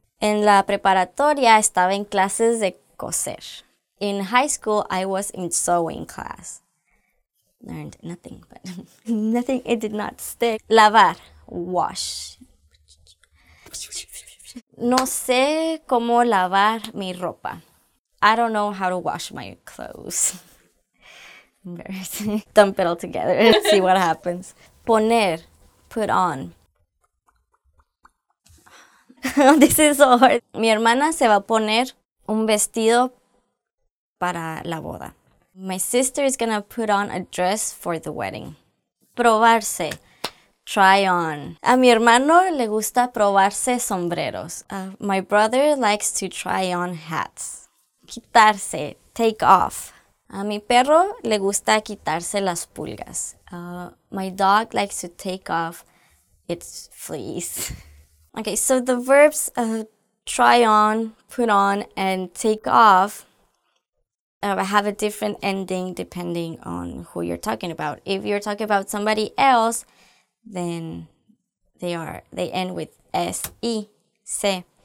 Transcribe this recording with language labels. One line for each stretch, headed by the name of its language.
Spanish: En la preparatoria estaba en clases de coser.
English: In high school, I was in sewing class. Learned nothing, but nothing, it did not stick.
Spanish: Lavar, wash. No sé cómo lavar mi ropa.
English: I don't know how to wash my clothes. Embarrassing. Dump it all together and see what happens. Poner, put on. This is so hard.
Spanish: Mi hermana se va a poner un vestido para la boda.
English: My sister is gonna put on a dress for the wedding. Probarse. Try on.
Spanish: A mi hermano le gusta probarse sombreros.
English: My brother likes to try on hats. Quitarse. Take off.
Spanish: A mi perro le gusta quitarse las pulgas.
English: My dog likes to take off its fleas. Okay, so the verbs try on, put on, and take off have a different ending depending on who you're talking about. If you're talking about somebody else, then they end with S-E, se.